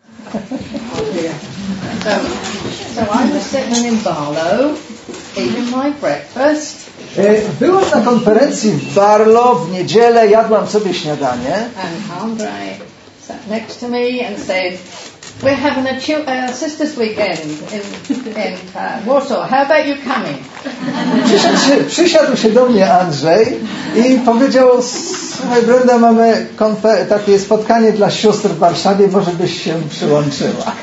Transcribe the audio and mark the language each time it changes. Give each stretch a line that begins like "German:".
English: So I was sitting in Barlow, eating my breakfast.
Polish: Byłam na konferencji w Barlo w niedzielę, jadłam sobie śniadanie.
English: And Andre sat next to me and said, "We're having a sisters' weekend in Warsaw. How about you coming?"
Polish: Przysiadł się do mnie Andrzej i powiedział: "Słuchaj, Brenda, mamy takie spotkanie dla sióstr w Warszawie, może byś się przyłączyła."